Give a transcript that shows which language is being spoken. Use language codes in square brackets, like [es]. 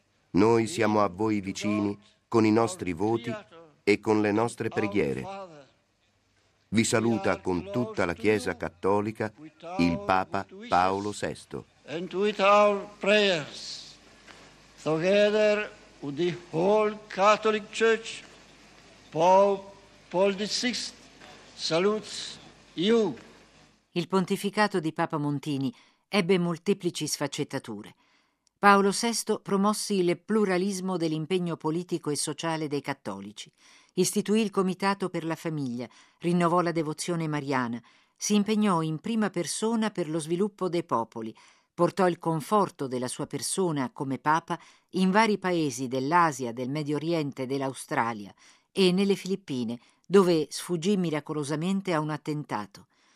[it] Noi siamo a voi vicini con i nostri voti e con le nostre preghiere. Vi saluta con tutta la Chiesa Cattolica il Papa Paolo VI. [en] And with our prayers, together with the whole Catholic Church, Paul VI salutes you. [it] Il pontificato di Papa Montini ebbe molteplici sfaccettature. Paolo VI promosse il pluralismo dell'impegno politico e sociale dei cattolici, istituì il Comitato per la Famiglia, rinnovò la devozione mariana, si impegnò in prima persona per lo sviluppo dei popoli, portò il conforto della sua persona come Papa in vari paesi dell'Asia, del Medio Oriente, dell'Australia e nelle Filippine, dove sfuggì miracolosamente a un attentato.